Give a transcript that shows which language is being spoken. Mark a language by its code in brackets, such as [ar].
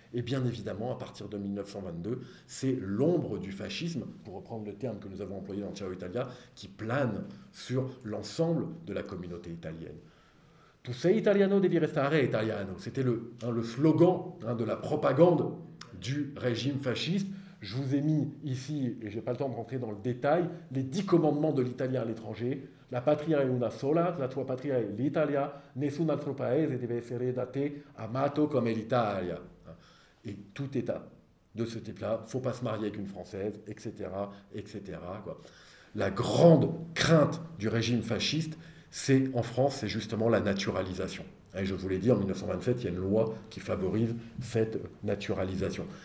[fr] Et bien évidemment, à partir de 1922, c'est l'ombre du fascisme, pour reprendre le terme que nous avons employé dans Ciao Italia, qui plane sur l'ensemble de la communauté italienne. « [it] Tu sei italiano, devi restare italiano [fr] ». C'était le slogan de la propagande du régime fasciste. Je vous ai mis ici, et je n'ai pas le temps de rentrer dans le détail, les 10 commandements de l'Italien à l'étranger. [it] « La patria è una sola, la tua patria è l'Italia, nessun altro paese deve essere da te amato come l'Italia ». [fr] Et tout état de ce type-là, faut pas se marier avec une Française, etc., etc. Quoi. La grande crainte du régime fasciste, c'est en France, c'est justement la naturalisation. Et je vous l'ai dit, en 1927, il y a une loi qui favorise cette naturalisation.